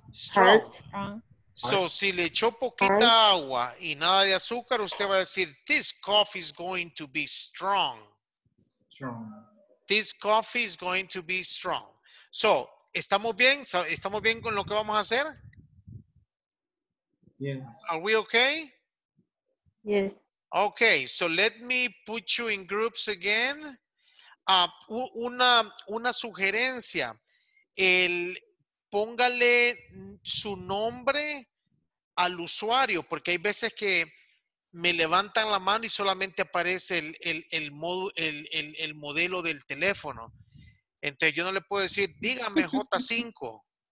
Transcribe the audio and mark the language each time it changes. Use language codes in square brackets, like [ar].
[es] Strong. So, si le echó poquita agua y nada de azúcar, usted va a decir, this coffee is going to be strong. [en] This coffee is going to be strong. So, ¿estamos bien? [es] ¿Estamos bien con lo que vamos a hacer? [en] Yes. Are we okay? Yes. Okay, so let me put you in groups again. [es] Una sugerencia. Póngale su nombre al usuario, porque hay veces que me levantan la mano y solamente aparece el modelo del teléfono. Entonces yo no le puedo decir, dígame J5.